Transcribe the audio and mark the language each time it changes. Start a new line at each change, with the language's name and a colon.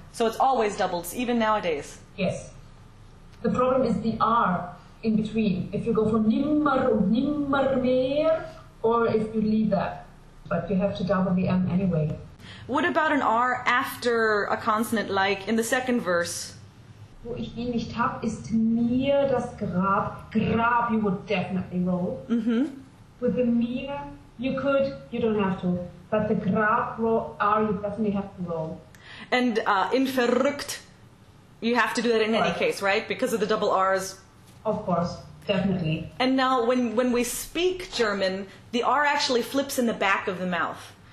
English: So it's always doubled, even nowadays? Yes. The problem is the R in between. If you go from
German: nimmer und nimmer mehr,
English: or if you leave that. But you have to double the M anyway. What about an R after a consonant, like in the second verse?
German: Wo ich ihn nicht hab, ist mir das Grab.
English: Grab, you would definitely roll. Mm-hmm. With the mir, you could, you don't have to. But the Grab roll, R, you definitely have to roll. And in verrückt, you have to do that in any case, right? Because of the double R's. Of course, definitely. And now when we speak German, the R actually flips in the back of the mouth.